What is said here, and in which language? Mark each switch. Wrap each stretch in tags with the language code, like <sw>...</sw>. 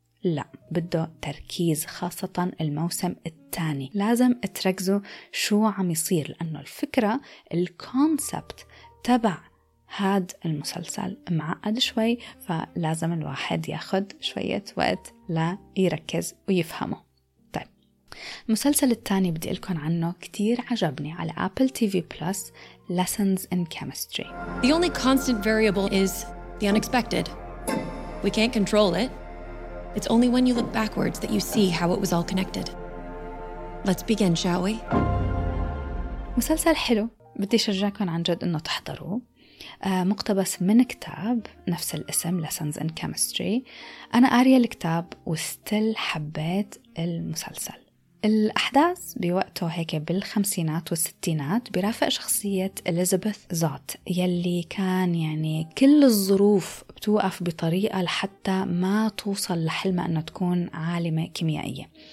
<ar>لا، بده تركيز، خاصة الموسم الثاني لازم تركزوا شو عم يصير، لأنه الفكرة الكونسبت تبع هاد المسلسل معقد شوي، فلازم الواحد ياخد شوية وقت لا يركز ويفهمه. طيب، المسلسل الثاني بدي لكم عنه كتير عجبني على Apple TV Plus، Lessons in Chemistry.</ar> <en>The only constant variable is the unexpected. We can't control it. It's only when you look backwards that you see how it was all connected. Let's begin, shall we?</en> <ar>مسلسل حلو، بدي شجعكم عن جد انه تحضروا. مقتبس من كتاب نفس الاسم Lessons in Chemistry. انا قارية الكتاب وستيل حبيت المسلسل. الأحداث بوقته هيك بالخمسينات والستينات برافق شخصية إليزابيث زوت يلي كان يعني كل الظروف بتوقف بطريقة لحتى ما توصل لحلمة أنه تكون عالمة كيميائية.</ar>